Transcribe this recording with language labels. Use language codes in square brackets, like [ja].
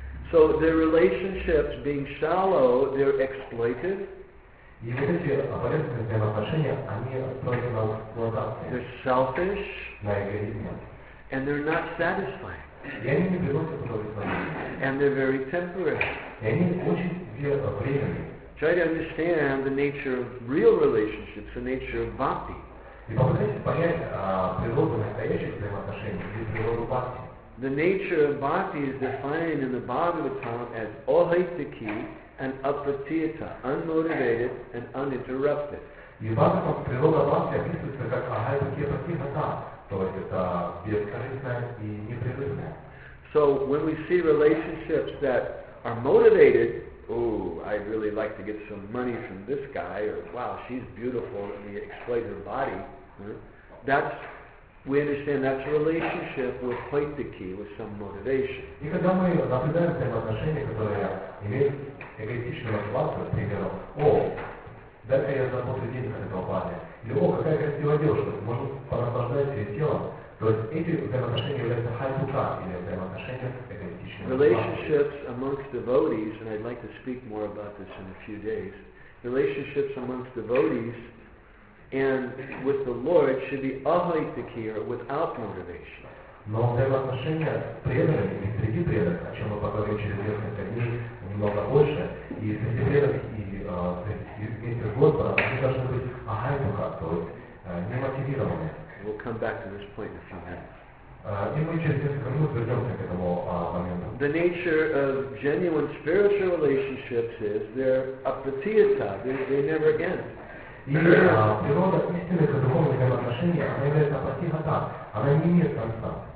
[en] So their relationships, being shallow, they're exploited. [ru] И вот эти оболезненные взаимоотношения, они просто на эксплуатации. [en] They're selfish. [ru] На эгоизме. [en] And they're not satisfying. [ru] И они не приносят удовольствия. [en] And they're very temporary. [ru] И они очень временные. [en] Try to understand the nature of real relationships, the nature of bhakti. [ru] И попытайтесь понять природу настоящих взаимоотношений и природу бхакти. [en] The nature of bhakti is defined in the Bhagavatam as ahaitiki and apatita, unmotivated and uninterrupted. [ru] И Бхагаватам природа бхакти описывается как ахайтики и апатита, то есть это бескорыстная и непрерывная. [en] So when we see relationships that are motivated, ooh, I'd really like to get some money from this guy, or wow, she's beautiful, let me exploit her body. That's, we understand that's a relationship with quite the key, with some motivation. [ru] И когда мы наблюдаем взаимоотношения, которые имеют эгоистичную мотивацию, например, о, дай-ка я заработаю денег на этого парня, или о, какая красивая девушка, может, понаслаждается ее телом, то есть эти взаимоотношения являются хайтука, или взаимоотношения эгоистичной [en] Relationships amongst devotees, and I'd like to speak more about this in a few days, relationships amongst devotees and with the Lord should be ahaitiki or without motivation. [ru] Но взаимоотношения с преданными и среди преданных, о чем мы поговорим через несколько дней, немного больше, и среди преданных, и вместе с Господом, они должны быть ahaituka, то есть немотивированные. [en] We'll come back to this point in a few minutes. [ru] И мы через несколько минут вернемся к этому моменту. [en] The nature of genuine spiritual relationships is they're apatita, they never end. [ru] И природа истинных духовных взаимоотношений, она является апатита, она не имеет конца.